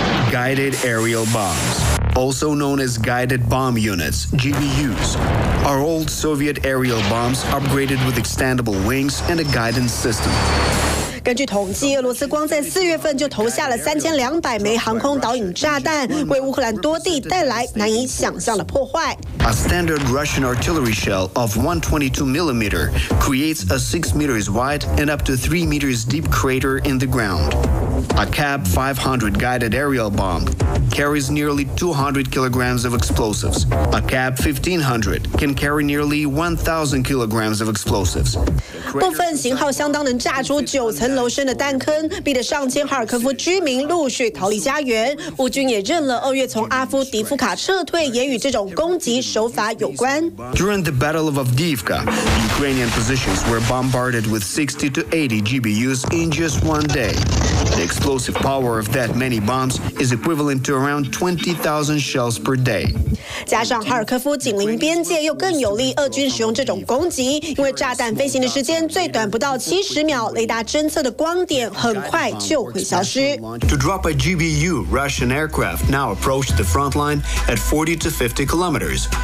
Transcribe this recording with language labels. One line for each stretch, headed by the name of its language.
English: Guided aerial bombs, also known as guided bomb units, GBUs, are old Soviet aerial bombs upgraded with extendable wings and a guidance system.
Chinese: 根据统计，俄罗斯光在4月份就投下了3200枚航空导引炸弹，为乌克兰多地带来难以想象的破坏。
English: A standard Russian artillery shell of 122mm creates a 6 meters wide and up to 3 meters deep crater in the ground. A Cab 500 guided aerial bomb carries nearly 200 kilograms of explosives. A Cab 1500 can carry nearly 1,000 kilograms of explosives.
Chinese: 部分型号相当能炸出9层楼深的弹坑，逼得上千哈尔科夫居民陆续逃离家园。乌军也认了2月从阿夫迪夫卡撤退也与这种攻击手法有关。
English: During the Battle of Avdiivka, Ukrainian positions were bombarded with 60 to 80 GBUs in just one day. The explosive power of that many bombs is equivalent to around 20,000 shells per day.
Chinese: 加上哈尔科夫紧邻边界，又更有利俄军使用这种攻击，因为炸弹飞行的时间最短不到70秒，雷达侦测的光点很快就会消失。
English: To drop a GBU, Russian aircraft now approach the front line at 40 to 50 kilometers.